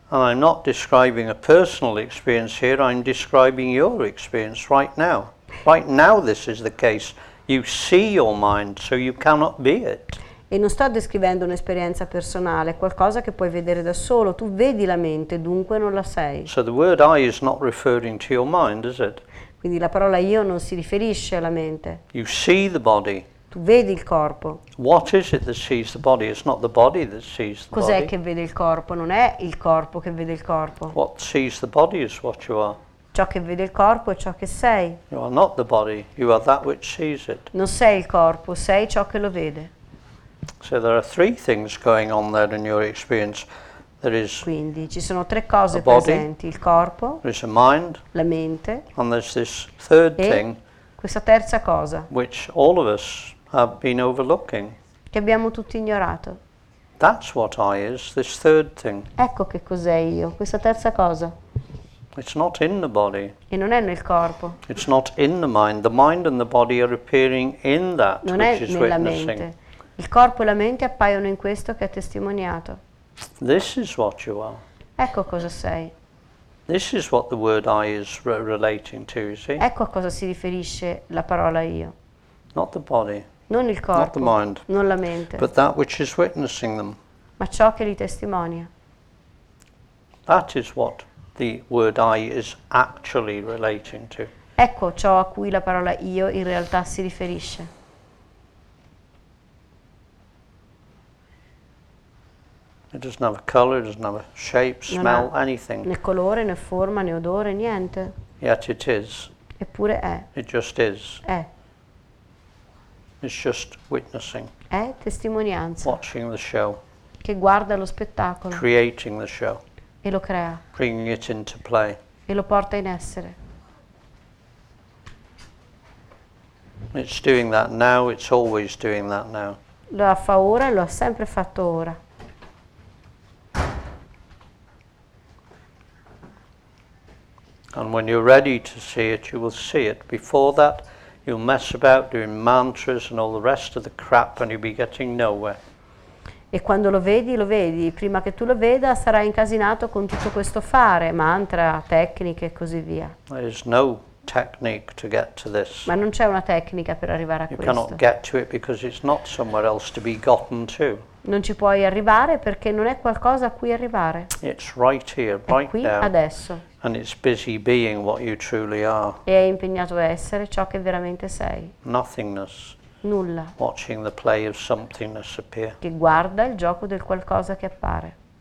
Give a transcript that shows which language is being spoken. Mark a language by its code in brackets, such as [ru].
[en] And I'm not describing a personal experience here, I'm describing your experience right now. Right now this is the case. You see your mind, so you cannot be it. [it] E non sto descrivendo un'esperienza personale, è qualcosa che puoi vedere da solo. Tu vedi la mente, dunque non la sei. [en] So the word I is not referring to your mind, is it? [it] Quindi la parola io non si riferisce alla mente. [en] You see the body. [it] Tu vedi il corpo. [en] What is it that sees the body? It's not the body that sees the [it] Cos'è [en] body. [it] Cos'è che vede il corpo? Non è il corpo che vede il corpo. [en] What sees the body is what you are. [it] Ciò che vede il corpo è ciò che sei. [en] You are not the body, you are that which sees it. [it] Non sei il corpo, sei ciò che lo vede. [en] So there are three things going on there in your experience. There is [it] Quindi ci sono tre cose presenti, il corpo, [en] there is a mind, [it] la mente, [en] and there's this third thing, [it] questa terza cosa, [en] which all of us have been overlooking. [it] Che abbiamo tutti ignorato. [en] That's what I is, this third thing. [it] Ecco che cos'è io, questa terza cosa. [en] It's not in the body. [it] E non è nel corpo. [en] It's not in the mind. The mind and the body are appearing in that [it] non [en] which is witnessing. [it] Non è nella mente. Il corpo e la mente appaiono in questo che è testimoniato. [en] This is what you are. [it] Ecco cosa sei. [en] This is what the word I is relating to, you see? [it] Ecco a cosa si riferisce la parola io. [en] Not the body. [it] Non il corpo. [en] Not the mind. [it] Non la mente. [en] But that which is witnessing them. [it] Ma ciò che li testimonia. [en] That is what the word I is actually relating to. [it] Ecco ciò a cui la parola io in realtà si riferisce. [en] It doesn't have a color, it doesn't have a shape, smell, anything. [it] Né colore, né forma, né odore, niente. [en] Yet it is. [it] Eppure è. [en] It just is. [it] È. [en] It's just witnessing. [it] È testimonianza. [en] Watching the show. [it] Che guarda lo spettacolo. [en] Creating the show. [it] E lo crea. [en] Bringing it into play. [it] E lo porta in essere. [en] It's doing that now, it's always doing that now. [it] Lo fa ora e lo ha sempre fatto ora. [en] And when you're ready to see it, you will see it. Before that, you'll mess about doing mantras and all the rest of the crap and you'll be getting nowhere. [it] E quando lo vedi, lo vedi. Prima che tu lo veda, sarai incasinato con tutto questo fare, mantra, tecniche e così via. [en] There is no technique to get to this. [it] Ma non c'è una tecnica per arrivare a [en] you [it] questo. [en] You cannot get to it because it's not somewhere else to be gotten to. [it] Non ci puoi arrivare perché non è qualcosa a cui arrivare. [en] It's right here, right [it] è qui [en] now. [it] Adesso. [en] And it's busy being what you truly are. [it] E è impegnato a essere ciò che veramente sei. [en] Nothingness. [it] Nulla. [en] Watching the play of somethingness appear. [it] Che guarda il gioco del qualcosa che appare.